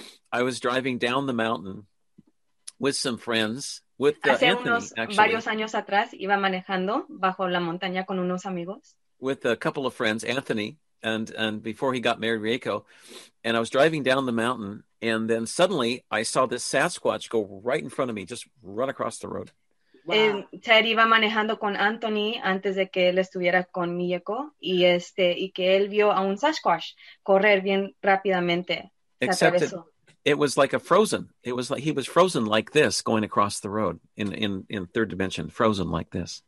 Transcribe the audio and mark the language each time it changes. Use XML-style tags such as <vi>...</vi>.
<en>I was driving down the mountain with some friends, with</en> <es>varios años atrás iba manejando bajo la montaña con unos amigos.</es> <en>With a couple of friends, Anthony, and before he got married, Rieko. And I was driving down the mountain, and then suddenly I saw this Sasquatch go right in front of me, just run across the road. Wow.</en> <es>Ted iba manejando con Anthony antes de que él estuviera con Mieko, y que él vio a un Sasquatch correr bien rápidamente.</es> <en>Except it was like a frozen. It was like he was frozen like this going across the road in third dimension, frozen like this.</en>